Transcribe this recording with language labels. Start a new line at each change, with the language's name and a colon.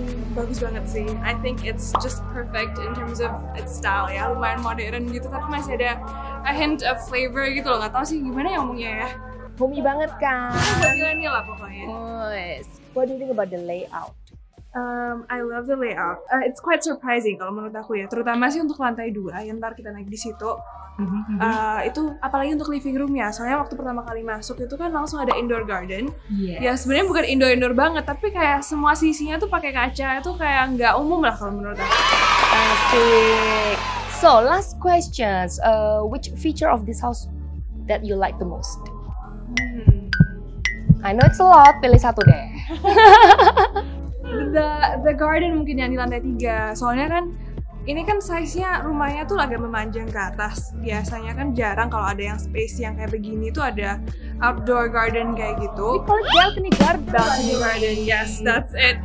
Indonesian: Bagus banget sih.
English: I think it's just perfect in terms of its style ya.
Indonesian: Lumayan modern gitu, tapi masih ada
English: a hint of flavor
Indonesian: gitu loh. Gak tau sih gimana ya omongnya ya. Homey banget kan. Homey lah pokoknya.
English: Yes. What do you think about the layout? I love the layout. It's quite surprising
Indonesian: kalau menurut aku ya, terutama sih untuk lantai 2 yang ntar kita naik di situ. Itu apalagi untuk living room ya. Soalnya waktu pertama kali masuk itu kan langsung ada indoor garden.
English: Yes.
Indonesian: Ya sebenarnya bukan indoor banget, tapi kayak semua sisinya tuh pakai kaca, itu kayak nggak umum lah kalau menurut aku.
English: Epic. So last questions, which feature of this house that you like the most? I know it's a lot,
Indonesian: pilih satu deh. The garden mungkin yang di lantai 3, soalnya kan ini kan size-nya rumahnya tuh agak memanjang ke atas. Biasanya kan jarang kalau ada yang space yang kayak begini tuh ada outdoor garden kayak gitu.
English: Balcony garden, yes, that's it.